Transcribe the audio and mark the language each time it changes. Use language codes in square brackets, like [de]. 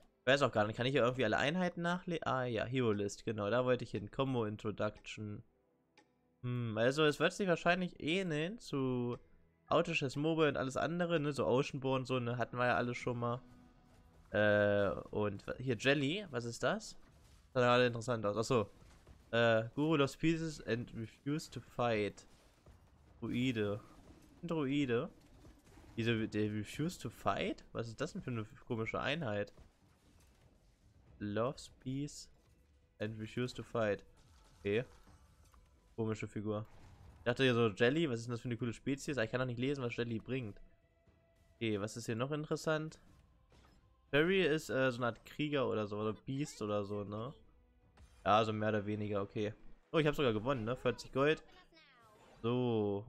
[de] Ich weiß auch gar nicht, kann ich hier irgendwie alle Einheiten nachlesen? Ah ja, Hero List, genau, da wollte ich hin. Combo Introduction. Also es wird sich wahrscheinlich ähneln zu Autoschess Mobile und alles andere, ne? So Oceanborn, so, ne, hatten wir ja alle schon mal. Und hier Jelly, was ist das? Sah gerade interessant aus. Achso. [en] Guru lost pieces and refused to fight. Druide. Druide. [de] Wieso der [en] refused to fight? [de] Was ist das denn für eine komische Einheit? [en] Loves peace and refused to fight. [de] Okay. Komische Figur. Ich dachte hier so, Jelly, was ist denn das für eine coole Spezies? Ich kann doch nicht lesen, was Jelly bringt. Okay, was ist hier noch interessant? Fairy ist so eine Art Krieger oder so, oder Beast oder so, ne? Ja, so mehr oder weniger, okay. Oh, ich habe sogar gewonnen, ne? 40 Gold. So.